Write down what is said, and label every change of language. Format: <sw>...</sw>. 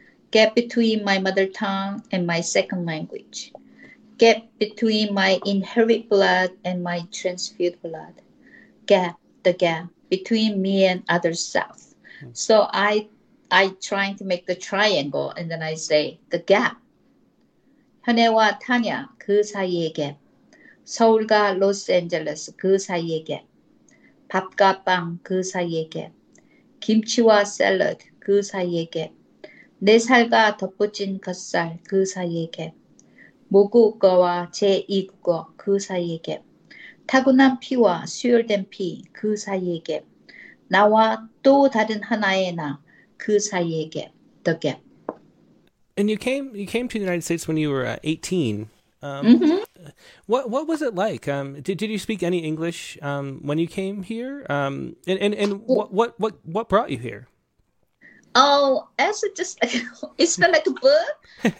<en>Gap between my mother tongue and my second language. Gap between my inherited blood and my transfused blood. Gap, the gap between me and other self. So I trying to make the triangle and then I say the gap.</en> <ko>현애와 타냐 그 사이의 갭. 서울과 로스앤젤레스 그 사이의 갭. 밥과 빵 그 사이의 갭. 김치와 샐러드 그 사이의 갭. 내 살과 덧붙인 겉살 그 사이의 갭. 모국어와 제2국어 그 사이의 갭. 타고난 피와 수혈된 피 그 사이의 갭. 나와 또 다른 하나의 나 그 사이의 갭.</ko> <en>The gap. And you came to the United States when you were 18. What was it like? Did you speak any English when you came here? What brought you here? Oh, as it just it's not like a book.</en>